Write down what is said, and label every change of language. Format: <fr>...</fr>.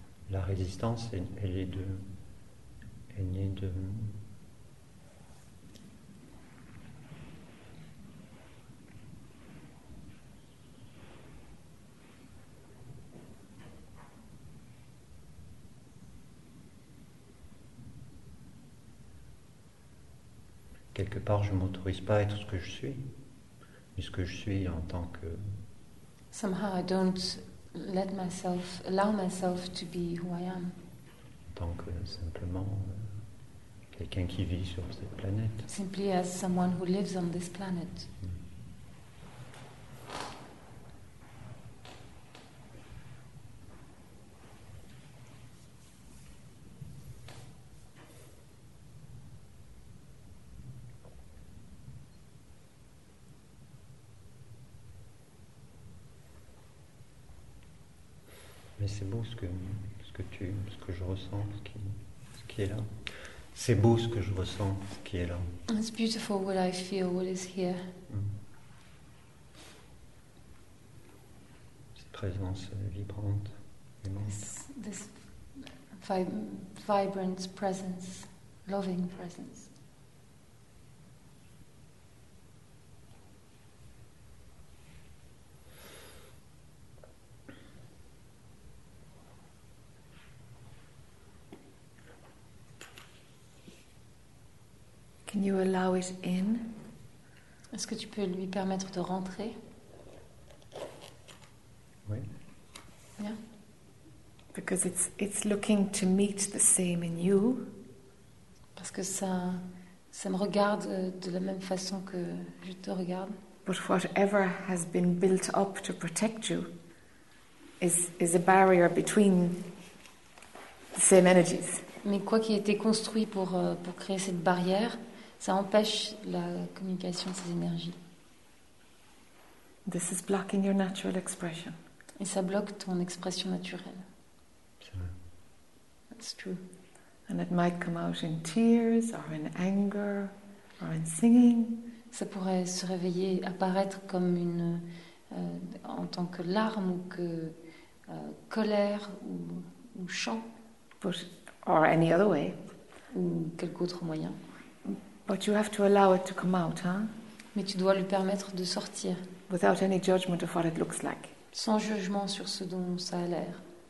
<fr>La résistance, quelque part, je m'autorise pas à être ce que je suis, mais ce que je suis en tant que.</fr> <en>Somehow I don't. Let myself, allow myself to be who I am.</en> <fr>Tant que simplement quelqu'un qui vit sur cette planète.</fr> <en>Simply as someone who lives on this planet.</en> <fr>C'est beau ce que je ressens, ce qui est là. C'est beau ce que je ressens, ce qui est là.</fr> <en>It's beautiful what I feel, what is here.</en> <fr>Cette présence vibrante, aimante.</fr> <en>This vibrant presence, loving presence. Can you allow it in?</en> <fr>Est-ce que tu peux lui permettre de rentrer? Oui.</fr> <en>Yeah. Because it's looking to meet the same in you.</en> <fr>Parce que ça me regarde de la même façon que je te regarde.</fr> <en>But whatever has been built up to protect you is a barrier between the same energies.</en> <fr>Mais quoi qui a été construit pour créer cette barrière? Ça empêche la communication de ces énergies.</fr> <en>This is blocking your natural expression.</en> <fr>Et ça bloque ton expression naturelle. C'est vrai.</fr> <en>That's true. And it might come out in tears, or in anger, or in singing.</en> <fr>Ça pourrait se réveiller, apparaître comme une, en tant que larme ou que colère ou chant.</fr> <en>But, or any other way.</en> <fr>Ou quelque autre moyen.</fr> <en>But you have to allow it to come out, huh?</en> <fr>Mais tu dois lui permettre de sortir.</fr> <en>Without any judgment of what it looks like.</en> <fr>Sans jugement sur ce dont ça a l'air.</fr>